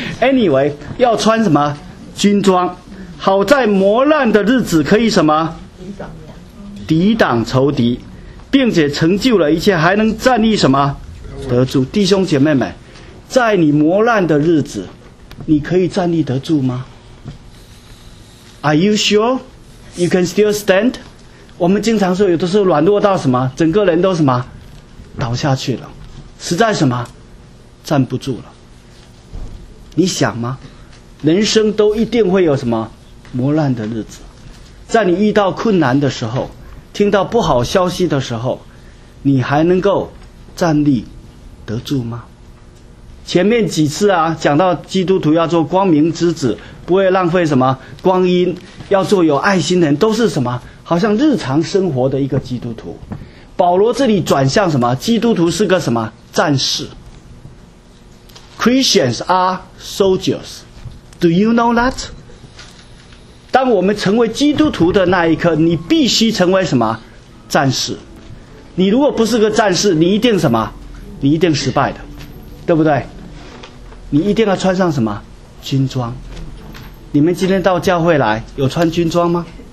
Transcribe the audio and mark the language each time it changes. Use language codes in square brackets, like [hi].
[en] anyway， [zh] 要穿什么军装，好在磨难的日子可以什么抵挡仇敌，并且成就了一切，还能站立什么得住。弟兄姐妹们，在你磨难的日子你可以站立得住吗？ [en] Are you sure you can still stand？ [zh] 我们经常说有的时候软弱到什么，整个人都什么倒下去了，实在什么站不住了。你想吗？人生都一定会有什么磨难的日子，在你遇到困难的时候，听到不好消息的时候，你还能够站立得住吗？前面几次啊，讲到基督徒要做光明之子，不会浪费什么光阴，要做有爱心的人，都是什么好像日常生活的一个基督徒。保罗这里转向什么？基督徒是个什么？战士。 [en] Christians are soldiers. Do you know that? [zh] 当我们成为基督徒的那一刻，你必须成为什么？战士。你如果不是个战士，你一定什么？你一定失败的，对不对？你一定要穿上什么？军装。你们今天到教会来，有穿军装吗？